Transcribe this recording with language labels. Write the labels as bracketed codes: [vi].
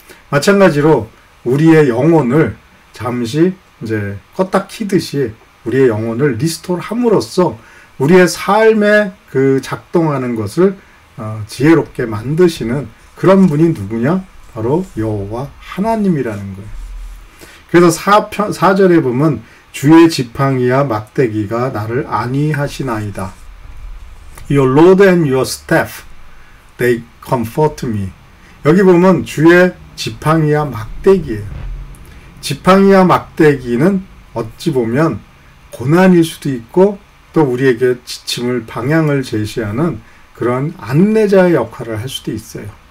[ko] 마찬가지로 우리의 영혼을 잠시 이제 껐다 키듯이 우리의 영혼을 리스토어 함으로써 우리의 삶에 그 작동하는 것을 지혜롭게 만드시는 그런 분이 누구냐? 바로 여호와 하나님이라는 거예요. 그래서 4절에 보면 주의 지팡이와 막대기가 나를 안위하시나이다. [en] Your Lord and your staff, they comfort me. [ko] 여기 보면 주의 지팡이와 막대기예요. 지팡이와 막대기는 어찌 보면 고난일 수도 있고 또 우리에게 지침을 방향을 제시하는 그런 안내자의 역할을 할 수도 있어요.